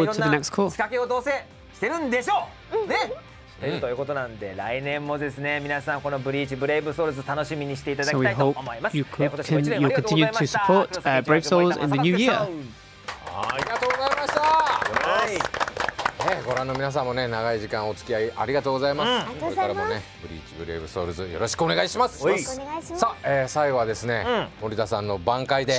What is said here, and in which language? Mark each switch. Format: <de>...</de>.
<en>We hope you look forward to the next core.</en> <ja>ということなんで、来年もですね、皆さんこのブリーチブレイブソウルズ楽しみにしていただきたいと思います。 So、今年も一年ありがとうございました。</ja> <en>Continue to support Brave Souls in the new year.</en> <ja>ありがとうございました。はい、ご覧の皆さんもね、長い時間お付き合いありがとうございます。これからもね、ブリーチブレイブソウルズよろしくお願いします。お願いします。さあ、最後はですね、森田さんの挽回で。</ja>